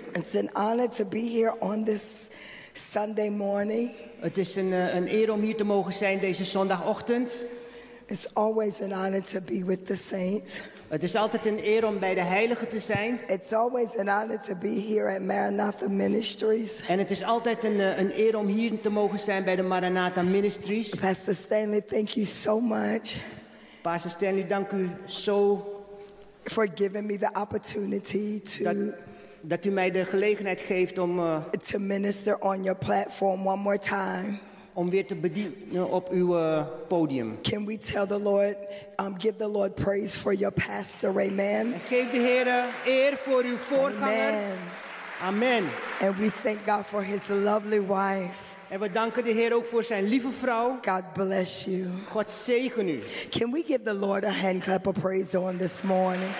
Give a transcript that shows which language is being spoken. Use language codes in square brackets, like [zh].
[en] It's an honor to be here on this Sunday morning. [nl] Het is een eer om hier te mogen zijn deze zondagochtend. [en] It's always an honor to be with the saints. [nl] Het is altijd een eer om bij de heiligen te zijn. [en] It's always an honor to be here at Maranatha Ministries. [nl] En het is altijd een eer om hier te mogen zijn bij de Maranatha Ministries. [en] Pastor Stanley, thank you so much. [nl] Pastor Stanley, dank u zo. [en] For giving me the opportunity to. [nl] Dat u mij de gelegenheid geeft om. [en] To minister on your platform one more time. [nl] Om weer te bedienen op uw podium. [en] Can we tell the Lord, give the Lord praise for your pastor, amen. [nl] En geef de Heer eer voor uw voorganger. [en] Amen. Amen. And we thank God for his lovely wife. [nl] En we danken de Heer ook voor zijn lieve vrouw. [en] God bless you. [nl] God zegen u. [en] Can we give the Lord a hand clap of praise on this morning?